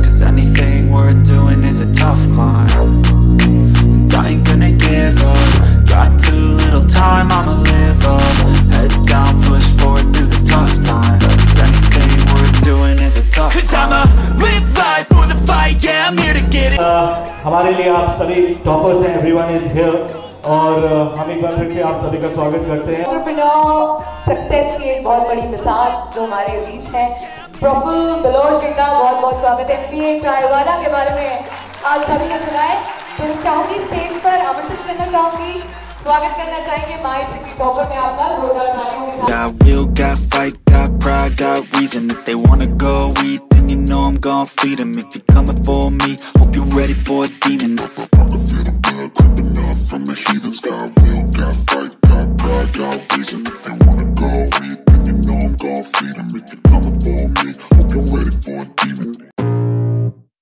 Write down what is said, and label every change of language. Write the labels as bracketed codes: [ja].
[en] Cause anything worth doing is a tough climb. And I ain't gonna give up. Got too little time, I'ma live up. Head down, push forward through the tough times. Cause anything worth doing is a tough climb. Cause I'ma live life for the fight, yeah, I'm here to get it. [hi] हमारे लिए आप सभी toppers हैं, [en] everyone is here. [hi] और हम एक बार फिर से आप सभी का स्वागत करते हैं। सक्सेस की एक बहुत बड़ी मिसाल जो हमारे बीच है, प्रफुल बिलोर जी का बहुत बहुत स्वागत है। एमबीए चाय वाला के बारे में आज सभी ने सुना है, फिर चाहूंगी स्टेज पर आमंत्रित करना चाहूंगी, स्वागत करना चाहेंगे माय सिटी टॉपर में आपका जोरदार [en] स्वागत। I got reason. If they wanna go eat, then you know I'm gon' feed them. If you're coming for me, hope you're ready for a demon. I feel the blood creeping up from the heathens. Got will, got fight, got pride, got reason. If they wanna go eat, then you know I'm gon' feed them. If you're coming for me, hope you're ready for a demon.